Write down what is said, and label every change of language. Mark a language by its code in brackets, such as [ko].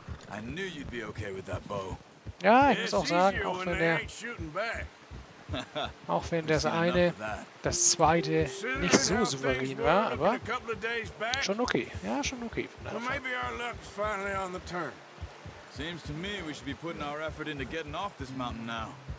[en] I knew you'd be okay with that bow. [de] Ja, ich muss auch sagen, auch wenn der Auch wenn das eine, das zweite nicht so souverän war, aber schon okay. Ja, schon okay. [en] Well, maybe our luck's finally on the turn. Seems to me we should be putting our effort into getting off this mountain now.